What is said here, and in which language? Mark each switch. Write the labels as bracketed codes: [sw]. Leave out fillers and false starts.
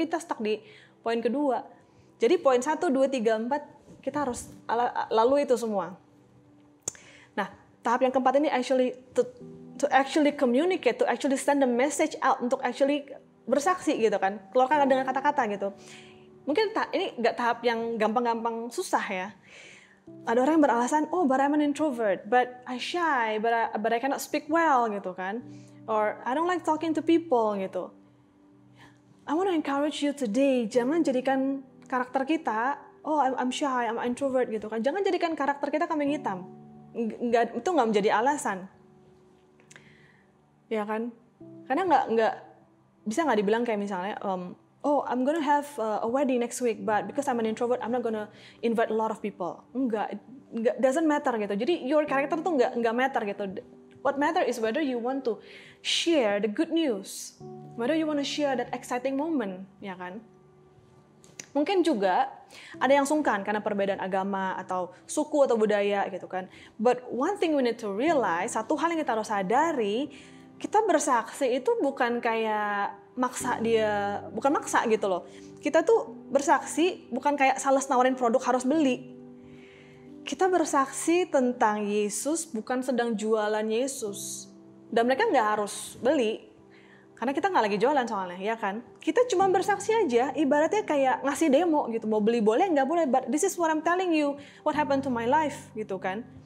[id] Mungkin kita stuck di poin kedua. Jadi poin 1, 2, 3, 4, kita harus lalui itu semua. Nah, tahap yang keempat ini [en] actually to actually communicate, to actually send the message out, [id] untuk actually bersaksi gitu kan, keluarkan dengan kata-kata gitu. Mungkin ini nggak tahap yang gampang-gampang susah ya. Ada orang yang beralasan, [en] but I'm an introvert, but I'm shy, but I cannot speak well [id] gitu kan. [en] Or I don't like talking to people gitu. I want to encourage you today, [id] jangan jadikan karakter kita, [en] I'm shy, I'm introvert [id] gitu kan. Jangan jadikan karakter kita kambing hitam. Itu nggak menjadi alasan. Ya kan? Karena nggak bisa nggak dibilang kayak misalnya, [en] I'm gonna have a wedding next week, but because I'm an introvert, I'm not gonna invite a lot of people. [id] Enggak, [en] doesn't matter [id] gitu. Jadi [en] your character [id] tuh nggak matter gitu. [en] What matter is whether you want to share the good news. Whether you want to share that exciting moment, [id] ya kan? Mungkin juga ada yang sungkan karena perbedaan agama atau suku atau budaya gitu kan. [en] But one thing we need to realize, [id] satu hal yang kita harus sadari, kita bersaksi itu bukan kayak maksa dia, bukan maksa gitu loh. Kita tuh bersaksi bukan kayak sales nawarin produk harus beli. Kita bersaksi tentang Yesus, bukan sedang jualan Yesus. Dan mereka nggak harus beli. Karena kita nggak lagi jualan soalnya, ya kan? Kita cuma bersaksi aja, ibaratnya kayak ngasih demo gitu. Mau beli boleh, nggak boleh. [en] But this is what I'm telling you, what happened to my life, [id] gitu kan?